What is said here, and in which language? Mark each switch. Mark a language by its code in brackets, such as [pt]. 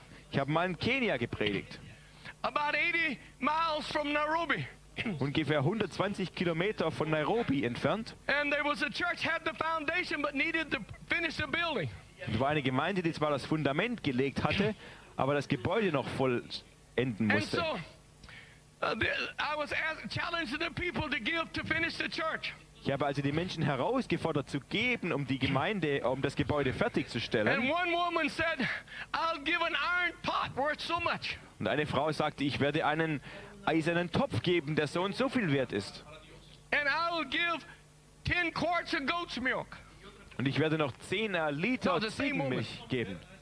[de] Ich habe mal in Kenia gepredigt. [en] About 80 miles from Nairobi. [de] Ungefähr 120 Kilometer von Nairobi entfernt. [en] And there was a church had the foundation but needed to finish the building. [de] Es war eine Gemeinde, die zwar das Fundament gelegt hatte, aber das Gebäude noch vollenden musste. [en] And so I was challenging the people to give to finish the church. [de] Ich habe also die Menschen herausgefordert zu geben, um das Gebäude fertigzustellen. [en] And one woman said, "I'll give an iron pot worth so much." [de] Und eine Frau sagte, ich werde einen eisernen Topf geben, der so und so viel wert ist. [en] And I will give 10 quarts of goat's milk. [de] Und ich werde noch 10 Liter Ziegenmilch geben.